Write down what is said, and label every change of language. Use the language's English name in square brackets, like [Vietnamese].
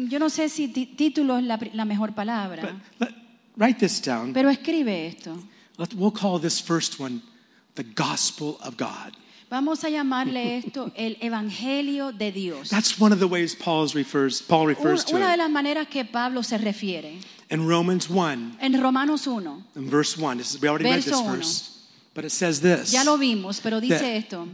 [Spanish] yo no sé si título es la mejor palabra. [English] Write this down. [Spanish] Pero escribe esto. [English] We'll call this first one the gospel of God. [Spanish] Vamos a llamarle esto el evangelio de Dios. [English] That's one of the ways Paul refers [Spanish] una [English] to it. [Spanish] Una de las maneras que Pablo se refiere. [English] In Romans 1. [Spanish] En Romanos 1. [English] In verse 1. We already [Spanish] verso [English] read this verse. [Spanish] Uno. [English] But it says this. [Spanish] Ya lo vimos, pero dice esto.